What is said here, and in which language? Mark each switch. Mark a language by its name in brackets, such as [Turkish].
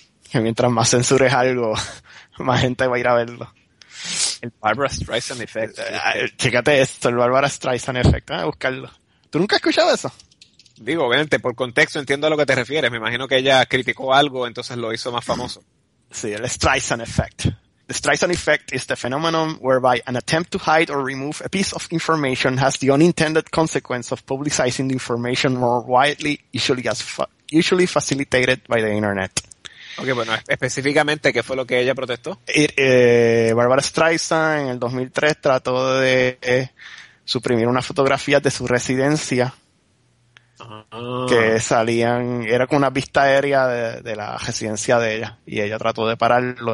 [Spanish] Que mientras más censures algo, más gente va a ir a verlo. El Barbara Streisand effect. Chécate esto, el Barbara Streisand effect. Voy a buscarlo. ¿Tú nunca has escuchado eso? Digo, obviamente, por contexto entiendo a lo que te refieres. Me imagino que ella criticó algo, entonces lo hizo más famoso. Sí, el Streisand effect. [English] The Streisand effect is the phenomenon whereby an attempt to hide or remove a piece of information has the unintended consequence of publicizing the information more widely, usually facilitated by the internet. [Spanish] Ok, bueno, específicamente, ¿qué fue lo que ella protestó? Barbara Streisand en el 2003 trató de... suprimir unas fotografías de su residencia que salían, era con una vista aérea de la residencia de ella, y ella trató de pararlo.